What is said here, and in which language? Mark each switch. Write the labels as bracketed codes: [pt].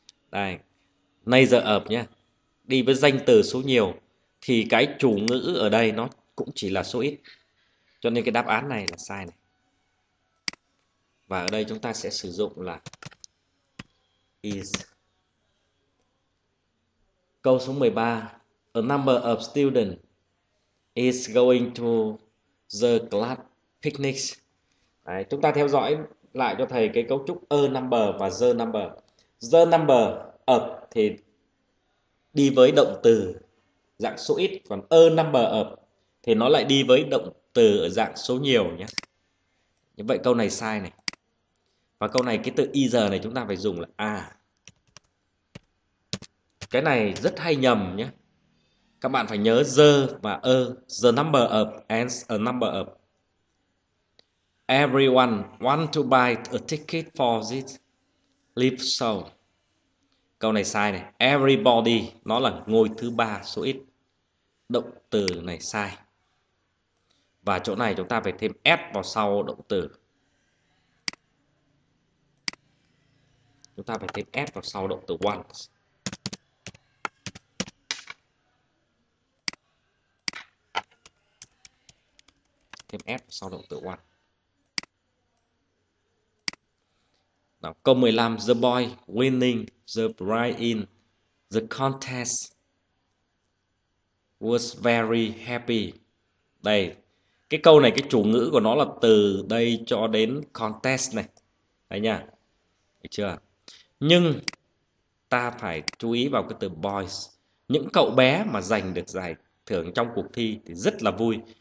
[vi] Đây, neither of nhé. Đi với danh từ số nhiều. Thì cái chủ ngữ ở đây nó cũng chỉ là số ít. Cho nên cái đáp án này là sai này. Và ở đây chúng ta sẽ sử dụng là is. Câu số 13. [en] A number of students is going to the class picnics. [vi] Đấy, chúng ta theo dõi lại cho thầy cái cấu trúc a number và the number. The number of thì đi với động từ dạng số ít, còn a number of thì nó lại đi với động từ ở dạng số nhiều nhé. Như vậy câu này sai này. Và câu này cái từ either này chúng ta phải dùng là are. Cái này rất hay nhầm nhé. Các bạn phải nhớ the và a, [en] the number of and a number of. Everyone want to buy a ticket for this live show. [vi] Câu này sai này. Everybody nó là ngôi thứ ba số ít. Động từ này sai. Và chỗ này chúng ta phải thêm s vào sau động từ. Chúng ta phải thêm s vào sau động từ once. Thêm s sau động từ one. Đó, câu 15, [en] the boy winning the prize in the contest was very happy. [vi] Đây, cái câu này cái chủ ngữ của nó là từ đây cho đến contest này. Đấy nha. Được chưa? Nhưng ta phải chú ý vào cái từ boys. Những cậu bé mà giành được giải thưởng trong cuộc thi thì rất là vui.